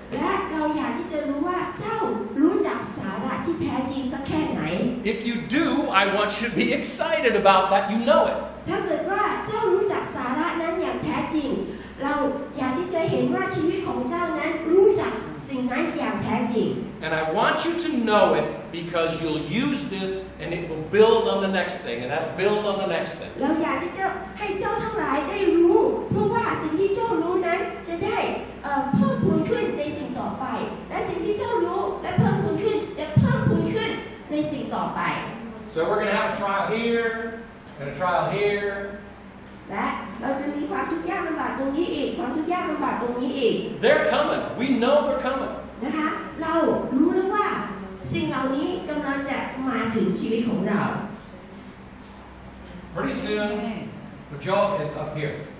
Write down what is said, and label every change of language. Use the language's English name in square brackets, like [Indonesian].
[Thai] และเราอยากที่จะรู้ว่าเจ้ารู้จักสาระที่แท้จริงสักแค่ไหน [English] If you do, I want you to be excited about that. You know it. [Thai] ถ้าเกิดว่าเจ้ารู้จักสาระนั้นอย่างแท้จริงเราอยากที่จะเห็นว่าชีวิตของเจ้านั้นรู้จักสิ่งนั้นอย่างแท้จริง [English] And I want you to know it because you'll use this and it will build on the next thing and that'll build on the next thing. [Thai] เราอยากที่จะให้เจ้าทั้งหลายได้รู้เพราะว่าสิ่งที่เจ้ารู้นั้นจะได้เพิ่มพูนขึ้นในสิ่งต่อไปและสิ่งที่เจ้ารู้และเพิ่มพูนขึ้นจะเพิ่มพูนขึ้นในสิ่งต่อไป [English] So we're going to have a trial here and a trial here [Thai] และเราจะมีความทุกข์ยากลำบากตรงนี้อีกความทุกข์ยากลำบากตรงนี้อีก [English] They're coming we know they're coming [Thai] นะคะเรารู้แล้วว่าสิ่งเหล่านี้กำลังจะมาถึงชีวิตของเรา [English] Pretty soon the job is up here